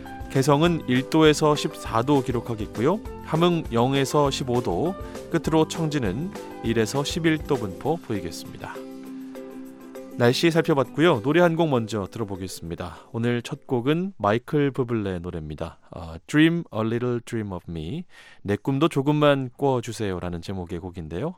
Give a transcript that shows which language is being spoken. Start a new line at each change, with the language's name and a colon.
Korean: 개성은 1도에서 14도 기록하겠고요. 함흥 0에서 15도, 끝으로 청진은 1에서 11도 분포 보이겠습니다. 날씨 살펴봤고요. 노래 한 곡 먼저 들어보겠습니다. 오늘 첫 곡은 마이클 부블레의 노래입니다.
English: Dream a little dream of me.
Korean: 내 꿈도 조금만 꿔주세요 라는 제목의 곡인데요.